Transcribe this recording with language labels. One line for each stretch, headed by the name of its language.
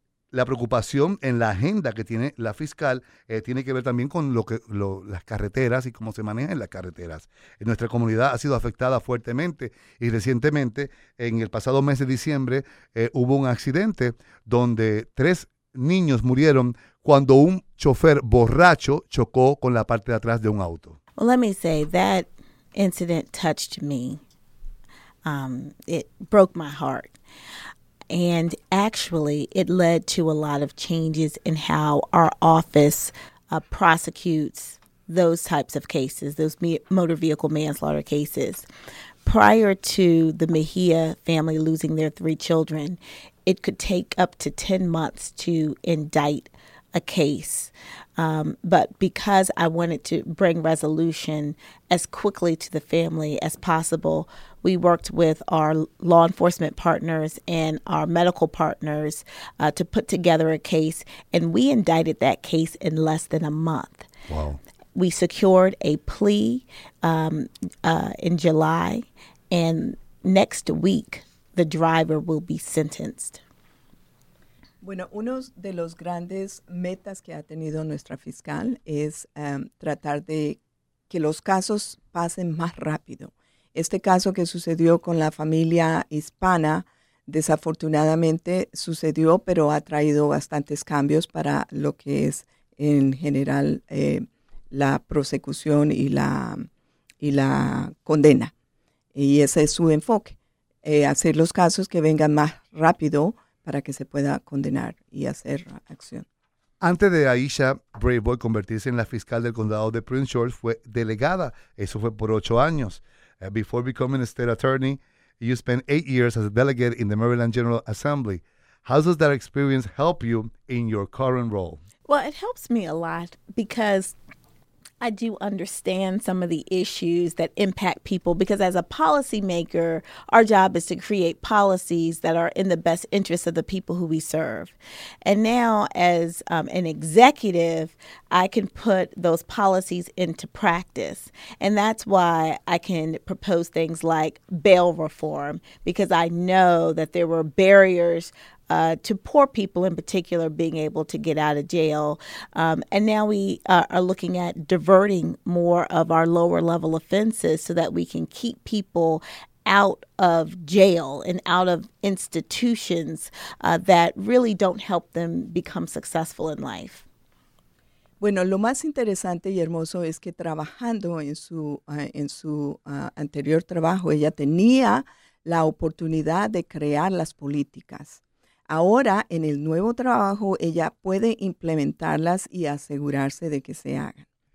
Spanish: La preocupación en la agenda que tiene la fiscal tiene que ver también con las carreteras y cómo se manejan las carreteras. En nuestra comunidad ha sido afectada fuertemente y recientemente, en el pasado mes de diciembre, hubo un accidente donde 3 niños murieron cuando un chofer borracho chocó con la parte de atrás de un auto.
English: Well, let me say, that incident touched me. It broke my heart. And actually, it led to a lot of changes in how our office prosecutes those types of cases, those motor vehicle manslaughter cases. Prior to the Mejia family losing their 3 children, it could take up to 10 months to indict a case. But because I wanted to bring resolution as quickly to the family as possible, we worked with our law enforcement partners and our medical partners to put together a case. And we indicted that case in less than a month. Wow. We secured a plea in July. And next week, the driver will be sentenced.
Spanish: Bueno, uno de los grandes metas que ha tenido nuestra fiscal es tratar de que los casos pasen más rápido. Este caso que sucedió con la familia hispana, desafortunadamente sucedió, pero ha traído bastantes cambios para lo que es en general la prosecución y la condena. Y ese es su enfoque, hacer los casos que vengan más rápido para que se pueda condenar y hacer acción. Antes de Aisha Brave Boy convertirse en la fiscal del condado de Prince George, fue delegada. Eso fue por 8 años.
English: Before becoming a state attorney, you spent 8 years as a delegate in the Maryland General Assembly. How does that experience help you in your current role? Well, it helps me a lot because I do understand some of the issues that impact people, because as a policymaker, our job is to create policies that are in the best interest of the people who we serve. And now as an executive, I can put those policies into practice. And that's why I can propose things like bail reform, because I know that there were barriers to poor people in particular being able to get out of jail. And now we are looking at diverting more of our lower level offenses so that we can keep people out of jail and out of institutions that really don't help them become successful in life.
Spanish: Bueno, lo más interesante y hermoso es que trabajando en su anterior trabajo, ella tenía la oportunidad de crear las políticas. Ahora, en el nuevo trabajo, ella puede implementarlas y asegurarse de que se hagan.